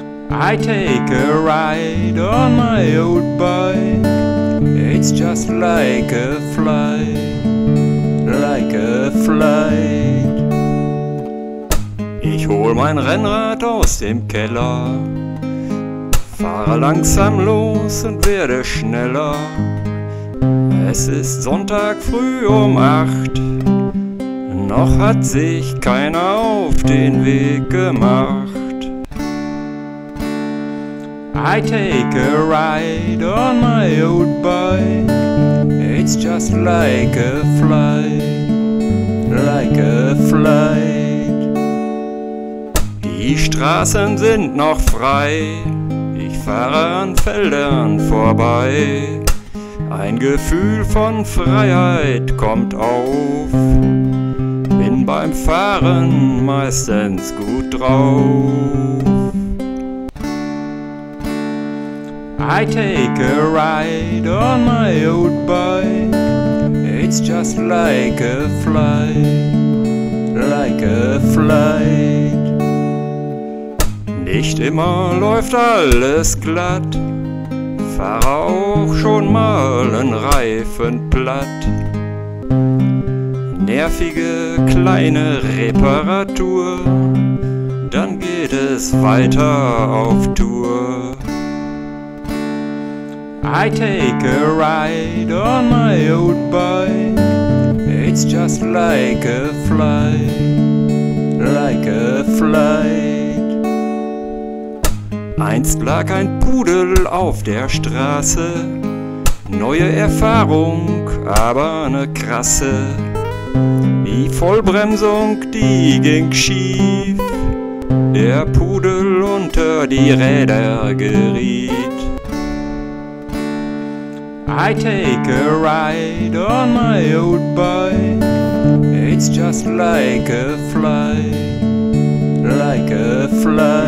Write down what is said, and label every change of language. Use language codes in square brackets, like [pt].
[en] I take a ride on my old bike. It's just like a flight, like a flight. [de] Ich hol mein Rennrad aus dem Keller, fahre langsam los und werde schneller. Es ist Sonntag früh um 8, noch hat sich keiner auf den Weg gemacht. [en] I take a ride on my old bike, it's just like a flight, like a flight. [de] Die Straßen sind noch frei, ich fahre an Feldern vorbei. Ein Gefühl von Freiheit kommt auf, bin beim Fahren meistens gut drauf. [en] I take a ride on my old bike, it's just like a flight, like a flight. [de] Nicht immer läuft alles glatt, fahr auch schon mal einen Reifen platt. Nervige kleine Reparatur, dann geht es weiter auf Tour. [en] I take a ride on my old bike, it's just like a flight, like a flight. [de] Einst lag ein Pudel auf der Straße, neue Erfahrung, aber ne krasse. Die Vollbremsung, die ging schief, der Pudel unter die Räder geriet. [en] I take a ride on my old bike, it's just like a flight, like a flight.